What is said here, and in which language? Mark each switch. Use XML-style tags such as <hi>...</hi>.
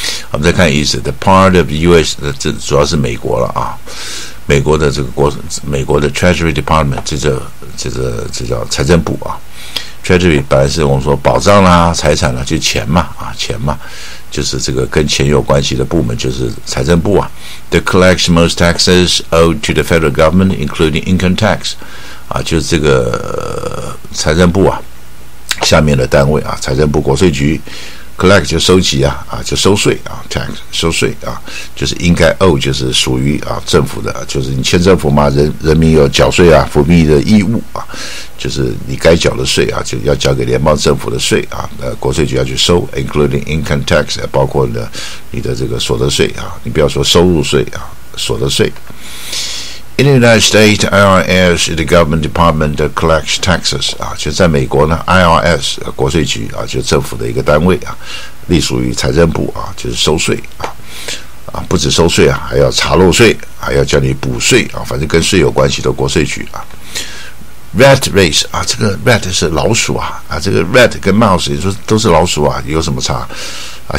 <zh>我们再看意思 ，</zh> <en>The part of U.S.</en> <zh>这主要是美国了啊。” 美国的这个美国的 Treasury Department， 这叫财政部啊。 Treasury 本来是我们说保障啦、财产啦，就钱嘛啊，钱嘛，就是这个跟钱有关系的部门，就是财政部啊。</zh> <en>The collects most taxes owed to the federal government, including income tax，</en> <zh>啊，就是这个、财政部啊下面的单位啊，财政部国税局 collect 就收集啊，啊就收税啊 tax 收税啊，就是应该 owe 就是属于啊政府的，就是你欠政府嘛，人民有缴税啊服役的义务啊，就是你该缴的税啊，就要交给联邦政府的税啊，国税局要去收 ，</zh> <en>including income tax，</en> <zh>包括你的这个所得税啊，你不要说收入税啊，所得税。</zh> <en>In the United States, IRS is the government department that collects taxes.</en> <zh>啊，就在美国呢 ，IRS 国税局啊，就政府的一个单位啊，隶属于财政部啊，就是收税啊，啊不止收税啊，还要查漏税，还要叫你补税啊，反正跟税有关系的国税局啊。 Rat race 啊，这个 rat 是老鼠啊，啊这个 rat 跟 mouse 你说都是老鼠啊，有什么差啊？</zh>